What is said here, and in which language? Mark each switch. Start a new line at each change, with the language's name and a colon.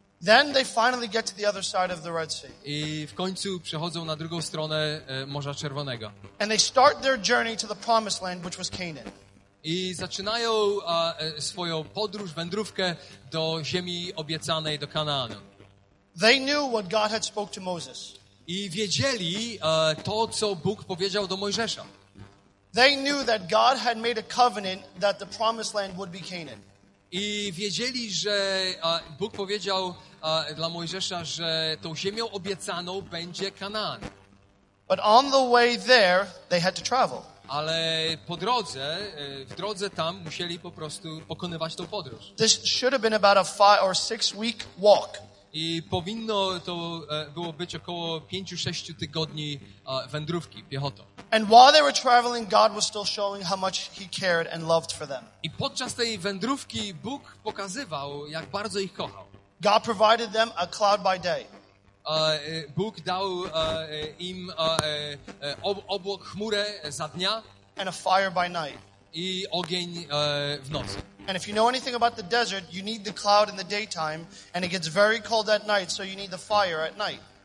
English: Then they finally get to the other side of the Red Sea.
Polish: I w końcu przechodzą na drugą stronę Morza Czerwonego.
English: And they start their journey to the promised land, which was Canaan.
Polish: I zaczynają swoją podróż, wędrówkę do ziemi obiecanej, do Kanaanu.
English: They knew what God had spoke to Moses.
Polish: I wiedzieli to, co Bóg powiedział do Mojżesza.
English: They knew that God had made a covenant that the promised land would be Canaan.
Polish: I wiedzieli, że Bóg powiedział dla Mojżesza, że tą ziemią obiecaną będzie Kanaan.
English: But on the way there, they had to travel.
Polish: Ale po drodze, w drodze tam musieli po prostu pokonywać tą podróż.
English: This should have been about a 5 or 6 week walk.
Polish: I powinno to było być około 5-6 tygodni wędrówki piechotą.
English: And while they were traveling, God was still showing how much he cared and loved for them.
Polish: I podczas tej wędrówki Bóg pokazywał, jak bardzo ich kochał.
English: God provided them a cloud by day.
Polish: Bóg dał im obłok, chmurę za dnia.
English: And a fire by night.
Polish: I ogień w nocy.
English: And if you know anything about the desert, you need the cloud in the daytime, and it gets very cold at night, so you need the fire at night.